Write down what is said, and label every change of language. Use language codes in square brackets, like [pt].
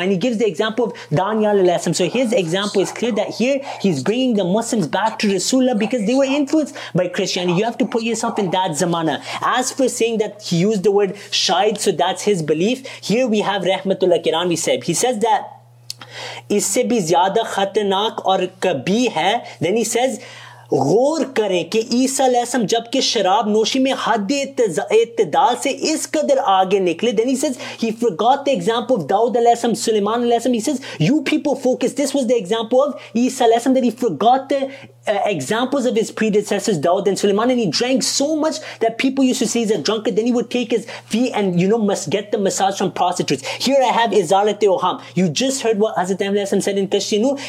[en] And he gives the example of Daniel al-Asim. So his example is clear that here he's bringing the Muslims back to Rasulullah because they were influenced by Christianity. You have to put yourself in that zamana. As for saying that he used the word shahid, so that's his belief, here we have Rahmatullah Kirani Sahib. He says that [ur] isse bhi zyada khatarnak aur kabhi hai. [en] Then he says [ur] غور کریں کہ عیسیٰ علیہ السلام جبکہ شراب نوشی میں حد اعتدال سے اس قدر آگے نکلے. [en] Then he says he forgot the example of Dawud علیہ السلام, Suleiman علیہ السلام. He says you people focus. This was the example of Isa علیہ السلام, that he forgot the examples of his predecessors Dawud and Suleiman, and he drank so much that people used to say he's a drunkard. Then he would take his feet and, you know, must get the massage from prostitutes. Here I have Izarat-e Oham. You just heard what Hazrat Ahmad said in Kashinu.